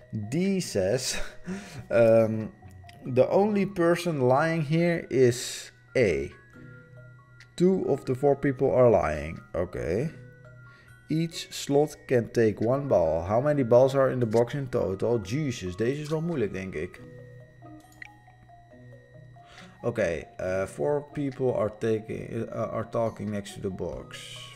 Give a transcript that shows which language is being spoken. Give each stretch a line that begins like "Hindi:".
English: D says the only person lying here is A. Two of the four people are lying. Okay. Each slot can take one ball. How many balls are in the box in total?
Dutch: Jesus, deze is wel moeilijk, denk ik.
English: Okay, four people are talking next to the box.